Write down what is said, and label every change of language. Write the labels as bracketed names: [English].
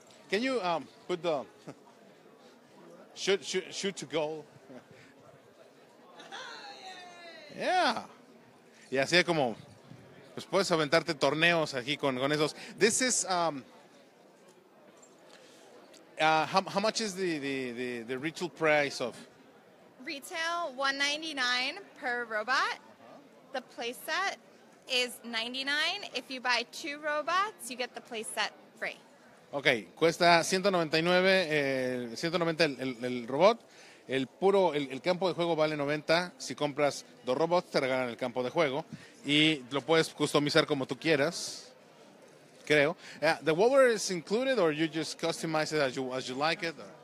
[English] Can you put the shoot to goal? [Spanish] Yeah. Y así es como, pues puedes aventarte torneos aquí con esos. [English] This is how much is the retail price of? Retail $199 per robot. The playset is $99. If you buy two robots, you get the playset free. [Spanish] Ok, cuesta $199 el robot, El campo de juego vale 90. Si compras dos robots, te regalan el campo de juego. Y lo puedes customizar como tú quieras. Creo. [English] The water is included, or you just customize it as you like it?